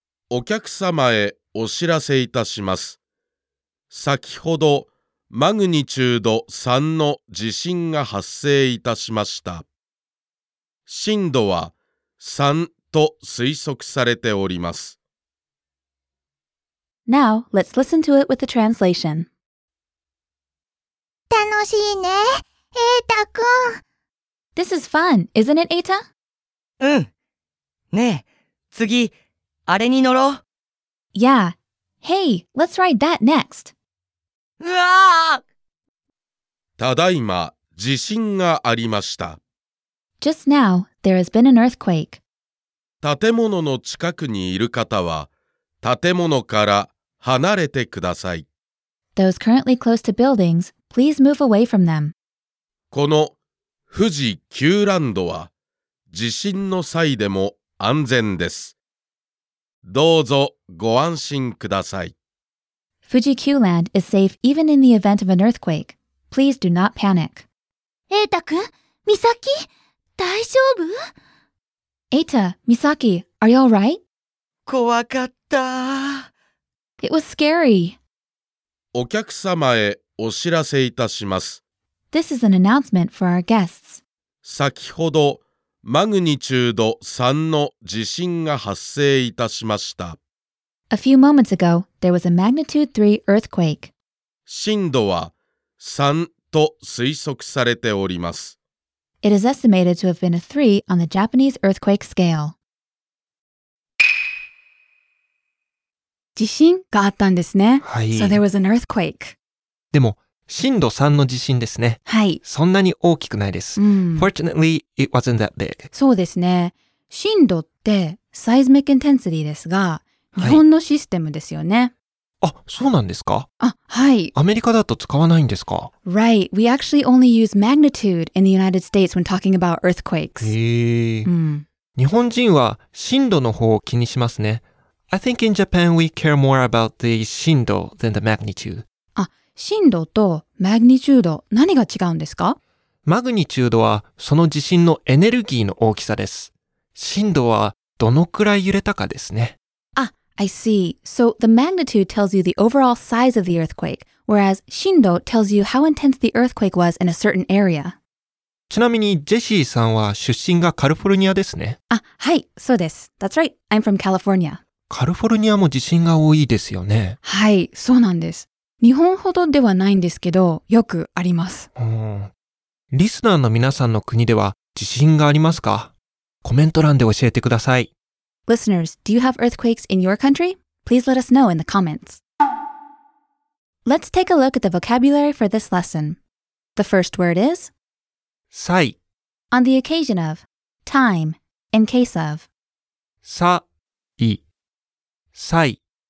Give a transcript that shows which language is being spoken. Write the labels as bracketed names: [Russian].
[Japanese] お客様へお知らせいたします。先ほどマグニチュード3の地震が発生いたしました。震度は3と推測されております。 [English] Now, let's listen to it with the translation. [Japanese] 楽しいね、エータ君。 [English] This is fun, isn't it, エータ？ [Japanese] うん。ねえ、次、あれに乗ろう。 [English] Yeah. Hey, let's ride that next. うわあ！ [Japanese] ただいま地震がありました。 [English] Just now, there has been an earthquake. [Japanese] 建物の近くにいる方は、建物から離れてください。 [English] Those currently close to buildings, please move away from them. [Japanese] この富士キューランドは、地震の際でも安全です。どうぞご安心ください。 [English] 富士キューランド is safe even in the event of an earthquake. Please do not panic. [Japanese] エータ君、美咲、大丈夫？ [English] エータ、美咲、are you alright? [Japanese] 怖かった。 [English] It was scary. [Japanese] お客様へお知らせいたします。 [English] This is an announcement for our guests. [Japanese] 先ほどマグニチュード3の地震が発生いたしました。 [English] A few moments ago, there was a magnitude 3 earthquake. [Japanese] 震度は3と推測されております。 [English] It is estimated to have been a 3 on the Japanese earthquake scale. [Japanese] 地震があったんですね。はい。 [English] So there was an earthquake. [Japanese] でも、震度3の地震ですね。はい。そんなに大きくないです。うん、 [English] Fortunately, it wasn't that big. [Japanese] そうですね。震度って、 [English] seismic intensity [Japanese] ですが、日本のシステムですよね。はい、あ、そうなんですか？あ、はい。アメリカだと使わないんですか？ [English] Right. We actually only use magnitude in the United States when talking about earthquakes. へー。うん。 [Japanese] 日本人は震度の方を気にしますね。 [English] I think in Japan we care more about the 震度 than the magnitude. [Japanese] あ、震度とマグニチュード、何が違うんですか？マグニチュードはその地震のエネルギーの大きさです。震度はどのくらい揺れたかですね。 [English] あ、I see. So the magnitude tells you the overall size of the earthquake, whereas 震度 tells you how intense the earthquake was in a certain area. [Japanese] ちなみにジェシーさんは出身がカリフォルニアですね。あ、はい、そうです。 [English] That's right. I'm from California. [Japanese] カリフォルニアも地震が多いですよね。はい、そうなんです。日本ほどではないんですけど、よくあります。うん。リスナーの皆さんの国では地震がありますか？コメント欄で教えてください。 [English] Listeners, do you have earthquakes in your country? Please let us know in the comments. Let's take a look at the vocabulary for this lesson. The first word is 災 On the occasion of Time In case of 災災